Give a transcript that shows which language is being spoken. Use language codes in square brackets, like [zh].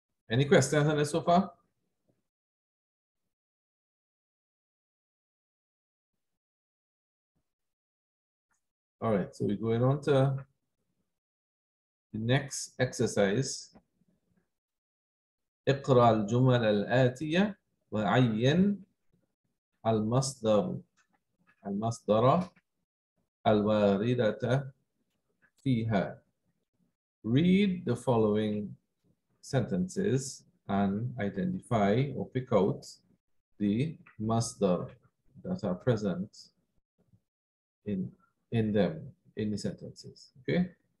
[en] Any questions on this so far? All right, so we're going on to the next exercise. [ar] اقرأ الجمل الآتية وعين المصدر المصدر الواردة فيها. [en] Read the following sentences and identify or pick out the مصدر that are present in them, in the sentences, okay?